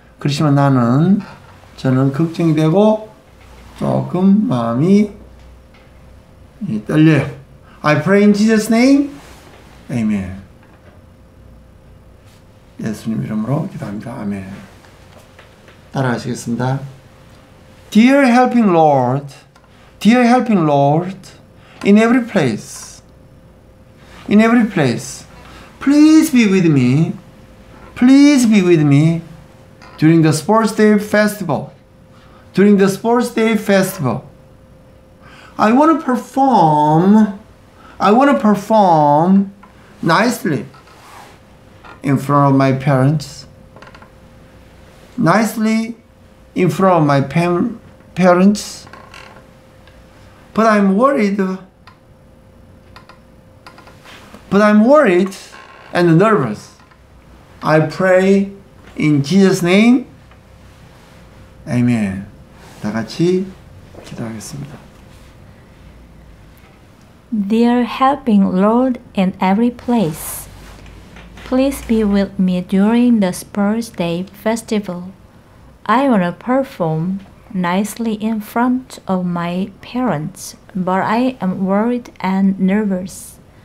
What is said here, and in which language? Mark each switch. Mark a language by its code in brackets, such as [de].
[ko] 그렇지만 저는 걱정이 되고 조금 마음이 떨려요. [en] I pray in Jesus' name. Amen. [ko] 예수님 이름으로 기도합니다. 아멘. 따라하시겠습니다. [en] Dear helping Lord, Dear helping Lord, in every place, in every place, please be with me, please be with me during the sports day festival, during the sports day festival. I want to perform nicely in front of my parents, nicely in front of my parents, but I'm worried and nervous. I pray in Jesus' name. Amen. [ko] 다 같이 기도하겠습니다. [en] Dear helping Lord in every place, please be with me during the Spurs Day Festival. I want to perform nicely in front of my parents, but I am worried and nervous.